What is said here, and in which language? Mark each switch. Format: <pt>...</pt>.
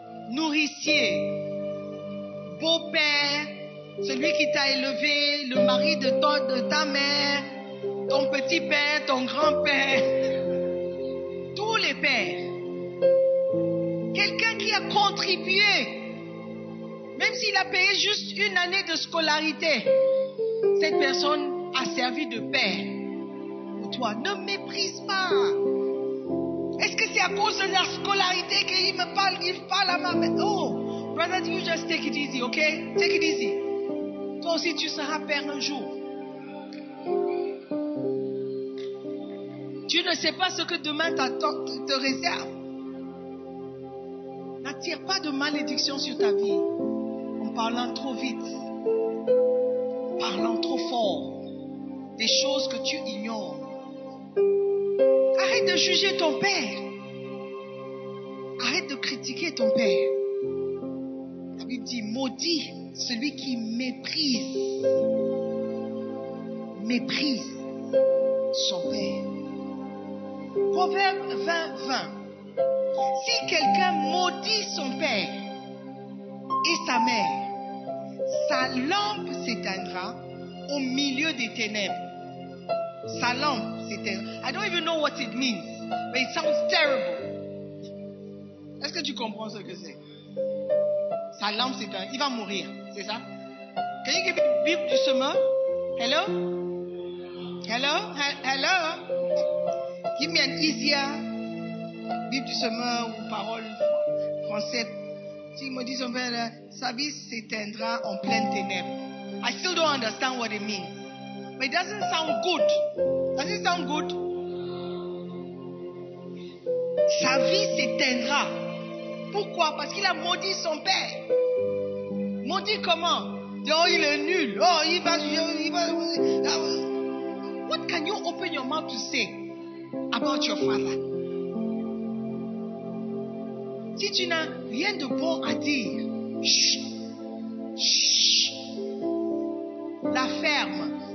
<fr>Nourricier, beau-père, celui qui t'a élevé, le mari de ta mère, ton petit-père, ton grand-père, tous les pères, quelqu'un qui a contribué, même s'il a payé juste une année de scolarité, cette personne a servi de père pour toi. Ne méprise pas. Est-ce que c'est à cause de la scolarité qu'il me parle, il parle à ma mère?</fr> <en>Oh, brother, you just take it easy, ok? Take it easy.</en> <fr>Toi aussi, tu seras père un jour. Tu ne sais pas ce que demain t'attend, te réserve. N'attire pas de malédiction sur ta vie en parlant trop vite, en parlant trop fort, des choses que tu ignores. Arrête de juger ton père. Arrête de critiquer ton père. La Bible dit, maudit celui qui méprise son père. Proverbe 20:20. Si quelqu'un maudit son père et sa mère, sa lampe s'éteindra au milieu des ténèbres. Sa lampe s'éteindra.</fr> <en>I don't even know what it means, but it sounds terrible.</en> <fr>Est-ce que tu comprends ce que c'est? Sa lampe s'éteindra. Il va mourir, c'est ça?</fr> <en>Can you give me the Bible</en> <fr>doucement?</fr> <en>Hello? Hello? Hello? Give me an easier Bible</en> <fr>du semeur ou parole française. Si ils me disent, père, sa vie s'éteindra en pleine ténèbre.</fr> <en>I still don't understand what it means. But it doesn't sound good. Does it sound good?</en> <fr>Sa vie s'éteindra. Pourquoi? Parce qu'il a maudit son père. Maudit comment? Oh, il est nul. Oh, il va.</fr> <en>What can you open your mouth to say about your father?</en> <fr>Si tu n'as rien de bon à dire, chut, la ferme.</fr>